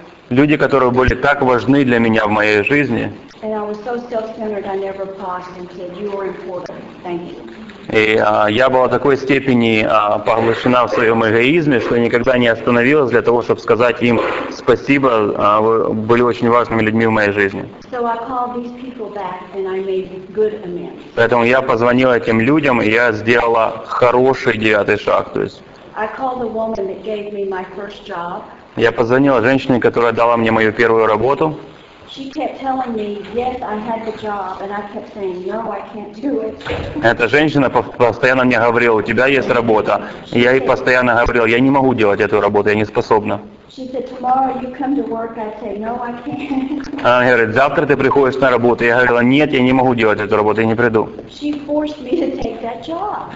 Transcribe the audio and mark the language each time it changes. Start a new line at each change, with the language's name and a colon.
Russian: Люди, которые были так важны для меня в моей жизни. И я была в такой степени поглощена в своем эгоизме, что я никогда не остановилась для того, чтобы сказать им спасибо, вы были очень важными людьми в моей жизни.
English: So I called these people back and I made good amends.
Russian: Поэтому я позвонила этим людям, и я сделала хороший 9-й шаг. То есть,
English: I called the woman that gave me my first job.
Russian: Я позвонила женщине, которая дала мне мою первую работу.
English: She kept telling me, yes, I had the job, and I kept saying, no, I can't do it.
Russian: Эта женщина постоянно мне говорила, у тебя есть работа. Я ей постоянно говорил, я не могу делать эту работу, я не способна.
English: She said, tomorrow you come to work, I say, no, I can't.
Russian: Она говорит, завтра ты приходишь на работу. Я говорила, нет, я не могу делать эту работу, я не приду.
English: She forced me to take that job.